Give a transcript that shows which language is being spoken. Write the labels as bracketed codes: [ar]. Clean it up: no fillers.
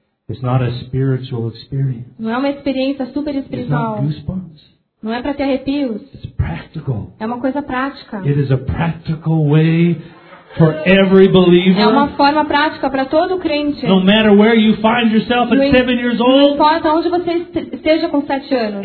[en] It's not a spiritual experience. [pt] Não é uma experiência super espiritual. [en] It's not goosebumps. [pt] Não é para ter arrepios. [en] It's practical. [pt] É uma coisa prática. [en] It is a practical way for every believer. [pt] É uma forma prática para todo crente. [en] No matter where you find yourself at 7 years old. [pt] Não importa onde você esteja com 7 anos.